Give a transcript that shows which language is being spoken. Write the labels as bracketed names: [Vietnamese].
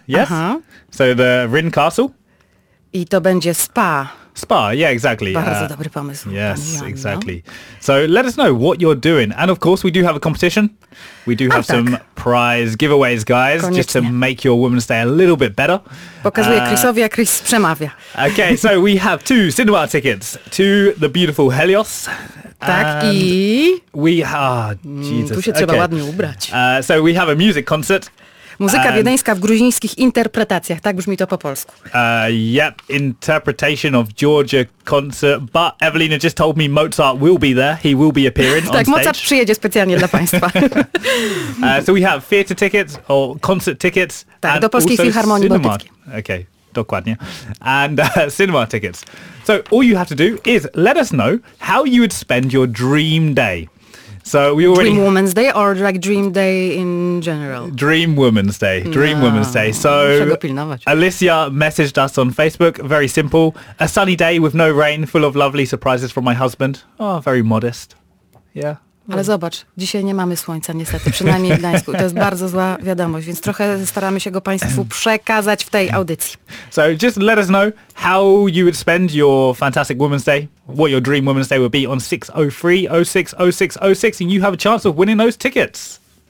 [English] Yes. Uh-huh. So the Rin Castle. [Polish] I to będzie spa. [English] Spa, yeah, exactly. [Polish] Bardzo dobry pomysł. [English] Yes, exactly. So let us know what you're doing. And of course, we do have a competition. We do have some prize giveaways, guys, [Polish] koniecznie, [English] just to make your Women's Day a little bit better. [Polish] Pokazuję Chrisowi, a Chris przemawia. [English] Okay, so we have 2 cinema tickets to the beautiful Helios. [Polish] Tak [English] and [Polish] i... [English] We are... Jesus. [Polish] Tu się trzeba ładnie ubrać. [English] So we have a music concert. [Polish] Muzyka wiedeńska w gruzińskich interpretacjach, tak brzmi to po polsku. [English] Yep, interpretation of Georgia concert, but Evelina just told me Mozart will be there, he will be appearing [Polish] tak, [English] on stage. [Polish] Tak, Mozart przyjedzie specjalnie dla Państwa. [English] So we have theater tickets, or concert tickets, [Polish] tak, do Polskiej Filharmonii Bałtyckiej. [English] Okay, [Polish] dokładnie. [English] And cinema tickets. So all you have to do is let us know how you would spend your dream day. So we already Dream Woman's Day or like Dream Day in general? Dream Woman's Day. Dream Woman's Day. So Alicia messaged us on Facebook. Very simple. A sunny day with no rain, full of lovely surprises from my husband. Oh, very modest. Yeah. [Polish] Ale zobacz, dzisiaj nie mamy słońca niestety, przynajmniej w Gdańsku. To jest bardzo zła wiadomość, więc trochę staramy się go Państwu przekazać w tej audycji. [English] So just let us know how you would spend your fantastic Women's Day, what your dream Women's Day would be on 603-06-06-06 and you have a chance of winning those tickets.